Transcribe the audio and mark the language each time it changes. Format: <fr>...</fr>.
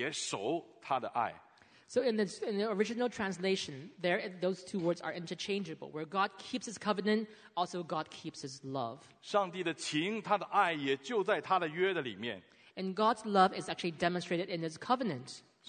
<en>so in the original translation, there those two words are interchangeable. Where God keeps his covenant, also God keeps his love.</en> <zh>上帝的情, 他的爱也就在他的约的里面。</zh> <en>And God's love is actually demonstrated in his covenant.</en>